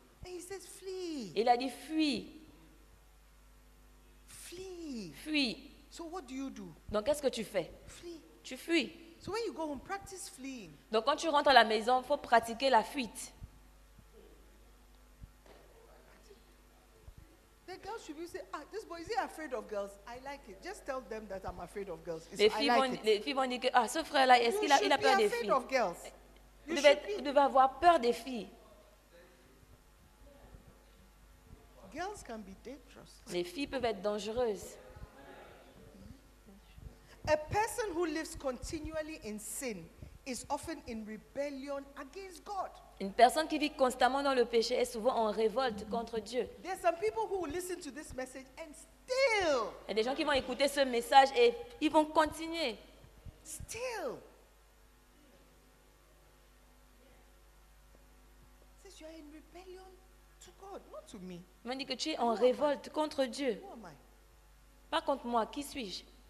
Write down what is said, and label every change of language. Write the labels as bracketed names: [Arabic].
[English] And he says, flee. [French] Il a dit, fuis. Fuis. [English] So what do you do? [French] Donc qu'est-ce que tu fais? [English] Flee. [French] Tu fuis. [English] So when you go home, practice fleeing. [French] Donc quand tu rentres à la maison, il faut pratiquer la fuite. [English] The girls should be saying, ah, this boy, is he afraid of girls? I like it. Just tell them that I'm afraid of girls. [French] Les filles vont dire que ah, ce frère-là, est-ce qu'il a peur des filles? [English] You should be afraid of girls. [French] Vous devez avoir peur des filles. [English] Girls can be dangerous. [French] Les filles peuvent être dangereuses. [English] A person who lives continually in sin is often in rebellion against God. [French] Une personne qui vit constamment dans le péché est souvent en révolte contre Dieu. [English] There are some people who listen to this message and still. [French] Il y a des gens qui vont écouter ce message et ils vont continuer. [English] Still. Since you are in rebellion to God, not to me. [French] Il m'a dit que tu es en révolte contre Dieu. Pas contre moi, qui suis-je?